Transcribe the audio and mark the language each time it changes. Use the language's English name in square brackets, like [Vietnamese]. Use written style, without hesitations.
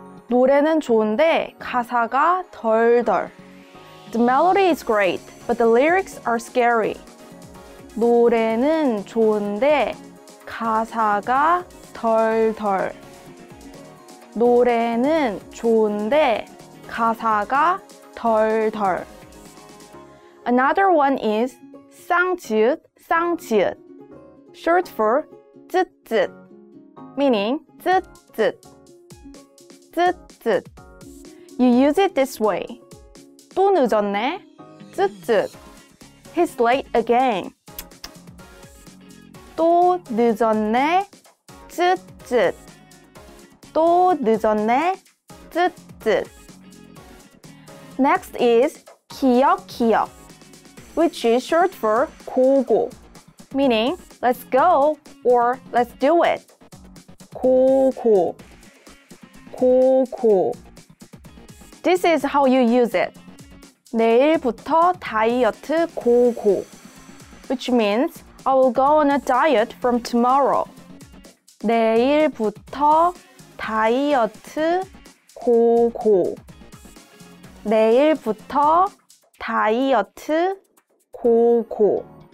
[Korean] 노래는 좋은데 가사가 덜덜. [English] The melody is great, but the lyrics are scary. [Korean] 노래는 좋은데 가사가 덜덜. 노래는 좋은데 가사가 덜덜. [English] Another one is [Korean] 쌍지읒, 쌍지읒, [English] short for 쯧쯧, meaning [Korean] 쯧쯧, 쯧쯧. [English] You use it this way. [Korean] 또 늦었네, 쯧쯧. [English] He's late again. [Korean] 또 늦었네, 쯧쯧. 또 늦었네, 쯧쯧. [English] Next is [Korean] 기억, 기억, [English] which is short for 고고, meaning let's go or let's do it. Cool, cool. Cool, cool. This is how you use it. [Korean] 내일부터 다이어트 고고. [English] Which means, I will go on a diet from tomorrow. [Korean] 내일부터 다이어트 고고. 내일부터 다이어트 고고.